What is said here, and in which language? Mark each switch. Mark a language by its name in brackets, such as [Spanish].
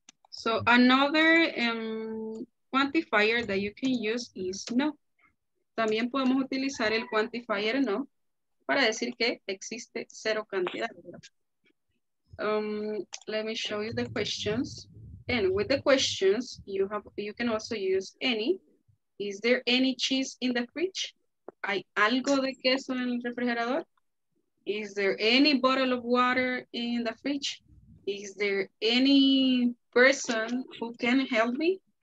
[English] So another quantifier that you can use is no. [Spanish] También podemos utilizar el quantifier no para decir que existe cero cantidad. [English] Let me show you the questions. And with the questions, you can also use any. Is there any cheese in the fridge? [Spanish] ¿Hay algo de queso en el refrigerador? [English] Is there any bottle of water in the fridge? Is there any person who can help me?